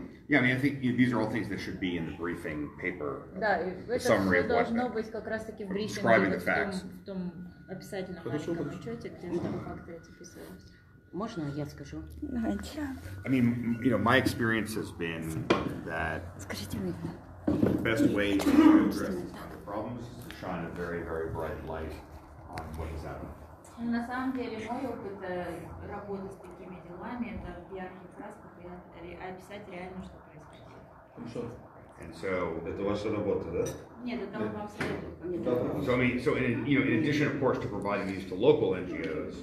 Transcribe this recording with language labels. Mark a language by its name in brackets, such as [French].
[English] Yeah, I mean, I think these are all things that should be in the briefing paper. [Russian] Да, это [English] summary of [Russian] должно быть как раз таки в брифинге. [English] Describing the facts. [Russian] В том описательном маленьком отчете, где там факты эти писались. Можно я скажу? [English] I mean, you know, my experience has been that the best way to address these problems is to shine a very, very bright light on what has happened. [Russian] На самом деле, мой опыт работы с такими делами это в ярких красках и описать реально, что происходит. это ваша работа, да? Нет, это вам абсолютно. Нет. [English] So, in addition, of course, to providing these to local NGOs.